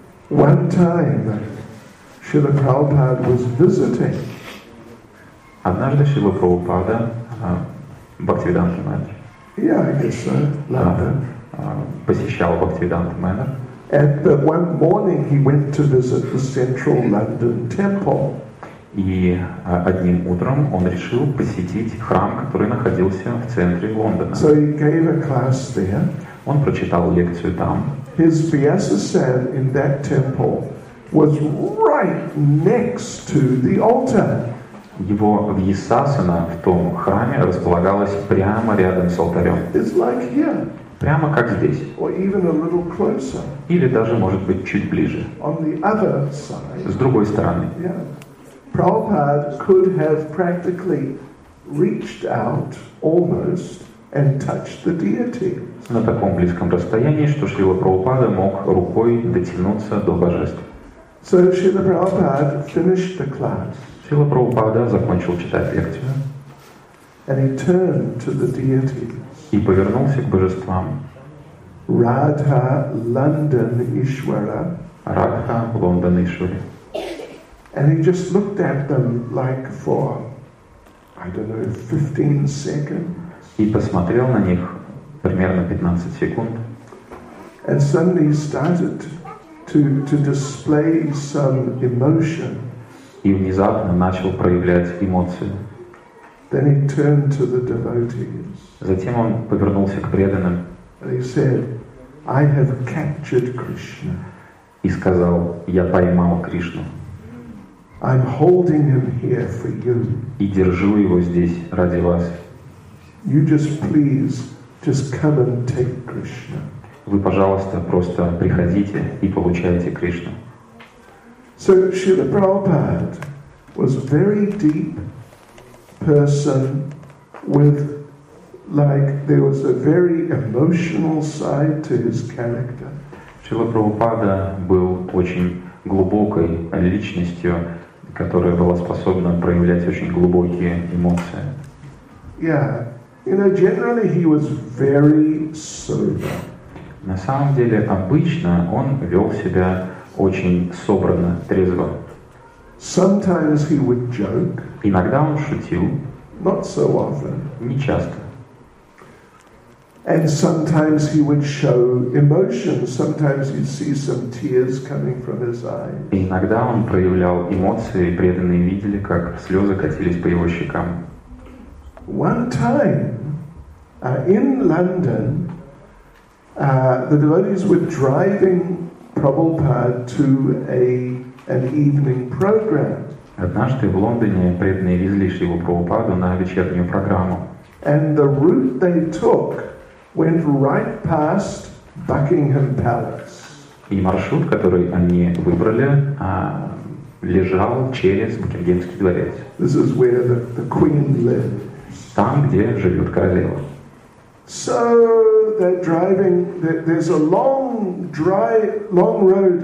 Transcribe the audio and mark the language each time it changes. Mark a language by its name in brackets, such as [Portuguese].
[English] One time, Śrīla Prabhupāda was visiting. [Russian] Однажды Śrīla Prabhupāda Бхактивиданта Майнор. [English] Yeah, I guess so. London. [Russian] Посещал Бхактивиданта Майнор. [English] And one morning he went to visit the central London temple. [Russian] И одним утром он решил посетить храм, который находился в центре Лондона. [English] So he gave a class there. [Russian] Он прочитал лекцию там. [English] His Vyasa said in that temple was right next to the altar. [Russian] Его Вьясасана в том храме располагалась прямо рядом с алтарем. [English] It's like here. [Russian] Прямо как здесь. [English] Or even a little closer. [Russian] Или даже, может быть, чуть ближе. [English] On the other side. [Russian] С другой стороны. [English] Yeah. Prabhupada could have practically reached out almost and touched the deity. [Russian] На таком близком расстоянии, что Шрила Прабхупада мог рукой дотянуться до божества. [English] So Shrila Prabhupada finished the class. [Russian] Шрила Прабхупада закончил читать лекцию. [English] And he turned to the deity. [Russian] И повернулся к божествам. [English] Radha London Ishwara. [Russian] Радха Лондон Ишвара. [English] And he just looked at them like for, I don't know, 15 seconds. [Russian] И посмотрел на них примерно 15 секунд. [English] And suddenly started to display some emotion. [Russian] И внезапно начал проявлять эмоции. [English] Then he turned to the devotees. [Russian] Затем он повернулся к преданным. [English] And he said, I have captured Krishna. [Russian] И сказал, я поймал Кришну. [English] I'm holding him here for you. [Russian] И держу его здесь ради вас. [English] You just please just come and take Krishna. [Russian] Вы, пожалуйста, просто приходите и получайте Кришну. [English] So Śrīla Prabhupāda was very deep person with, like, there was a very emotional side to his character. [Russian] Шрила Прабхупада был очень глубокой личностью, которая была способна проявлять очень глубокие эмоции. [English] Yeah. You know, generally he was very sober. [Russian] На самом деле, обычно он вел себя очень собранно, трезво. [English] Sometimes he would joke. [Russian] Иногда он шутил. [English] Not so often. [Russian] Не часто. [English] And sometimes he would show emotion. Sometimes you'd see some tears coming from his eyes. [Russian] Иногда он проявлял эмоции, преданные видели, как слезы катились по его щекам. [English] One time, in London, the devotees were driving Prabhupada to an evening program. [Russian] Однажды в Лондоне преданные везли его Прабхупаду на вечернюю программу. [English] And the route they took went right past Buckingham Palace. [Russian] И маршрут, который они выбрали, лежал через Букингемский дворец. [English] This is where the Queen lived. [Russian] Там, где живет королева. [English] So they're driving. There's a long drive, long road.